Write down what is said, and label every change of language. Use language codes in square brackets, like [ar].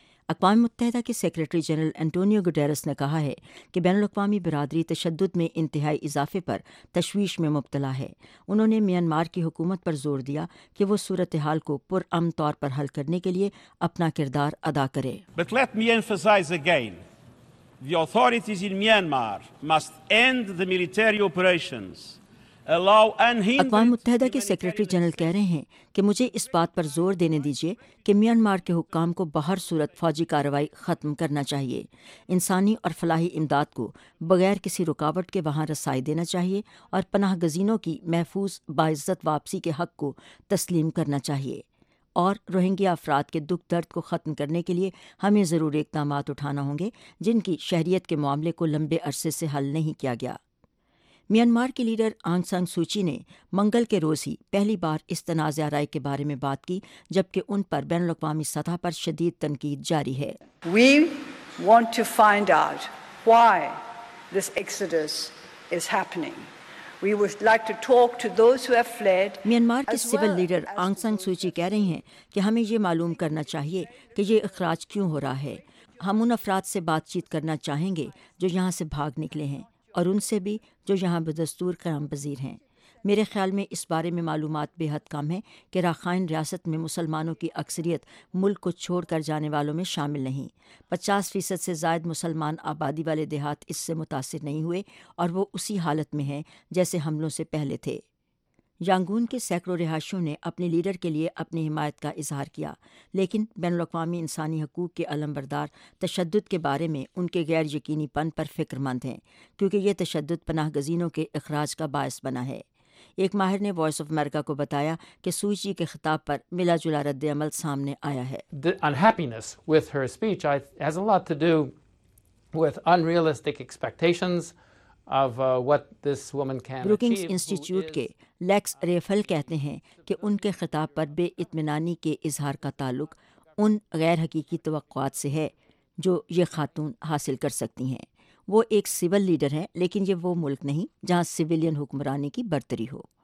[ur] اقوام متحدہ کے سیکرٹری جنرل انٹونیو گڈیرس نے کہا ہے کہ بین الاقوامی برادری تشدد میں انتہائی اضافے پر تشویش میں مبتلا ہے۔ انہوں نے میانمار کی حکومت پر زور دیا کہ وہ صورتحال کو پرامن طور پر حل کرنے کے لیے اپنا کردار ادا کرے۔ [en] But let me emphasize again, the authorities in Myanmar must end the military operations. [ur] اقوام متحدہ کے سیکرٹری جنرل کہہ رہے ہیں کہ مجھے اس بات پر زور دینے دیجیے کہ میانمار کے حکام کو بہر صورت فوجی کارروائی ختم کرنا چاہیے، انسانی اور فلاحی امداد کو بغیر کسی رکاوٹ کے وہاں رسائی دینا چاہیے اور پناہ گزینوں کی محفوظ باعزت واپسی کے حق کو تسلیم کرنا چاہیے، اور روہنگیا افراد کے دکھ درد کو ختم کرنے کے لیے ہمیں ضرور اقدامات اٹھانا ہوں گے جن کی شہریت کے معاملے کو لمبے عرصے سے حل نہیں کیا گیا۔ میانمار کی لیڈر آنگ سان سو چی نے منگل کے روز ہی پہلی بار اس تنازع رائے کے بارے میں بات کی جبکہ ان پر بین الاقوامی سطح پر شدید تنقید جاری ہے۔ [en] We want to find out why this exodus is happening. We would like to talk to those who have fled. [ur] Myanmar کے سول لیڈر آنگ سان سو چی کہہ رہے ہیں کہ ہمیں یہ معلوم کرنا چاہیے کہ یہ اخراج کیوں ہو رہا ہے۔ ہم ان افراد سے بات چیت کرنا چاہیں گے جو یہاں سے بھاگ نکلے ہیں، اور ان سے بھی جو یہاں بدستور قیام پذیر ہیں۔ میرے خیال میں اس بارے میں معلومات بے حد کم ہیں کہ راکھائن ریاست میں مسلمانوں کی اکثریت ملک کو چھوڑ کر جانے والوں میں شامل نہیں۔ 50% سے زائد مسلمان آبادی والے دیہات اس سے متاثر نہیں ہوئے، اور وہ اسی حالت میں ہیں جیسے حملوں سے پہلے تھے۔ یانگون کے سینکڑوں رہائشیوں نے اپنے لیڈر کے لیے اپنی حمایت کا اظہار کیا، لیکن بین الاقوامی انسانی حقوق کے علمبردار تشدد کے بارے میں ان کے غیر یقینی پن پر فکر مند ہیں کیونکہ یہ تشدد پناہ گزینوں کے اخراج کا باعث بنا ہے۔ ایک ماہر نے وائس آف امریکہ کو بتایا کہ سو چی کے خطاب پر ملا جلا رد عمل سامنے آیا ہے۔ [en] The unhappiness with her speech has a lot to do with unrealistic expectations of what this woman can [ur] Brookings Institute کے لیکس ریفل کہتے ہیں کہ ان کے خطاب پر بے اطمینانی کے اظہار کا تعلق ان غیر حقیقی توقعات سے ہے جو یہ خاتون حاصل کر سکتی ہیں۔ وہ ایک سول لیڈر ہیں، لیکن یہ وہ ملک نہیں جہاں سویلین حکمرانی کی برتری ہو۔